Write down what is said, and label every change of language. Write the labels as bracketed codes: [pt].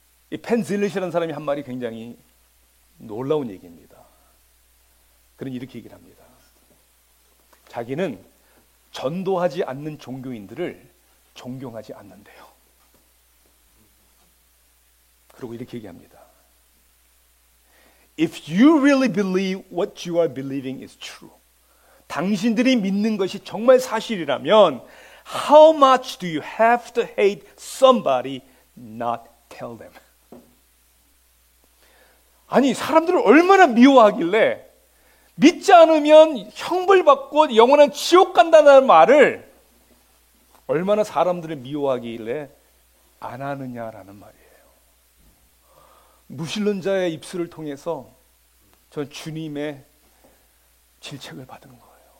[ko] 이 펜 젤렛이라는 사람이 한 말이 굉장히 놀라운 얘기입니다. 그는 이렇게 얘기를 합니다. 자기는 전도하지 않는 종교인들을 존경하지 않는데요. 그리고 이렇게 얘기합니다. [en] If you really believe what you are believing is true, [ko] 당신들이 믿는 것이 정말 사실이라면 [en] How much do you have to hate somebody not tell them? [ko] 아니, 사람들을 얼마나 미워하길래 믿지 않으면 형벌받고 영원한 지옥 간다는 말을 얼마나 사람들을 미워하길래 안 하느냐라는 말이에요. 무신론자의 입술을 통해서 전 주님의 질책을 받은 거예요.